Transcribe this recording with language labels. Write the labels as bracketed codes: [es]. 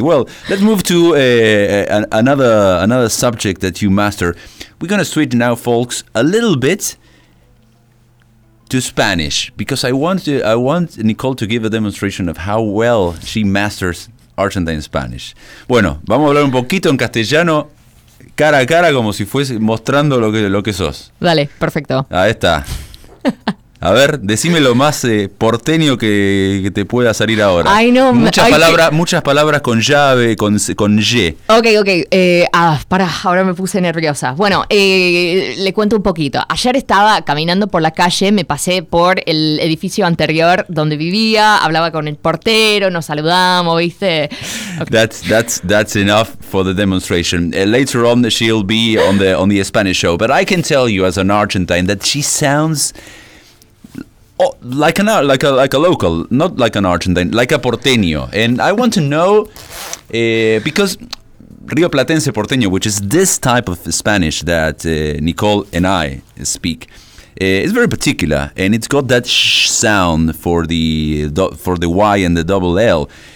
[en] Well, let's move to another subject that you master. We're going to switch now, folks, a little bit to Spanish, because I want Nicole to give a demonstration of how well she masters Argentine Spanish. [es] Bueno, vamos a hablar un poquito en castellano, cara a cara, como si fuese mostrando lo que sos. Dale, perfecto. Ahí está. A ver, decime lo más porteño que te pueda salir ahora. [en] I know. [es] Muchas palabras con llave, con ye. Ok. Ahora me puse nerviosa. Bueno, le cuento un poquito. Ayer estaba caminando por la calle, me pasé por el edificio anterior donde vivía, hablaba con el portero, nos saludamos, ¿viste? [en] Okay. That's enough for the demonstration. Later on, she'll be on the Spanish show. But I can tell you as an Argentine that she sounds... Like a local, not like an Argentine, like a porteño. And I want to know, because Rio Platense porteño, which is this type of Spanish that Nicole and I speak, is very particular, and it's got that sh sound for the Y and the double L.